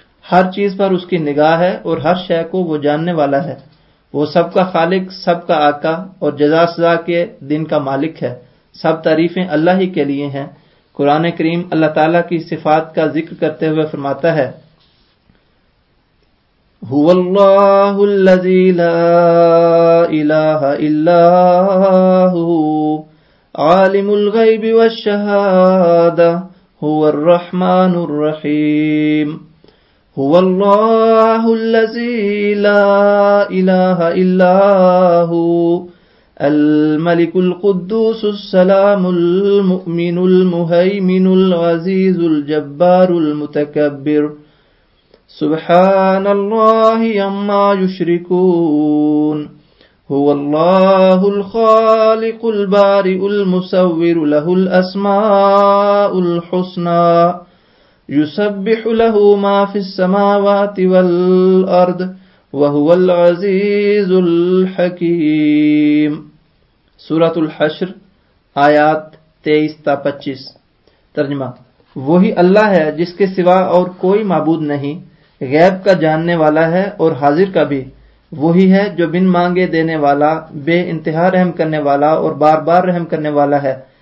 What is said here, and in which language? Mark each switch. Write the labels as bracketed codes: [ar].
[ur] ہر چیز پر اس کی نگاہ ہے اور ہر شے کو وہ جاننے والا ہے۔ وہ سب کا خالق، سب کا آقا اور جزا سزا کے دن کا مالک ہے۔ سب تعریفیں اللہ ہی کے لیے ہیں۔ قرآن کریم اللہ تعالیٰ کی صفات کا ذکر کرتے ہوئے فرماتا ہے، [ar] هو الله الذي لا إله إلا هو عالم الغيب والشهادة هو الرحمن الرحيم هو الله الذي لا إله إلا هو الملك القدوس السلام المؤمن المهيمن العزيز الجبار المتكبر سبحان الله عما يشركون هو الله الخالق البارئ المصور له الأسماء الحسنى يسبح له ما في السماوات والأرض وهو العزيز الحكيم۔ [ur] سورة الحشر آيات 23-25۔ ترجمہ، وہی اللہ ہے جس کے سوا اور کوئی معبود نہیں، غیب کا جاننے والا ہے اور حاضر کا بھی۔ وہی ہے جو بن مانگے دینے والا، بے انتہا رحم کرنے والا اور بار بار رحم کرنے والا ہے۔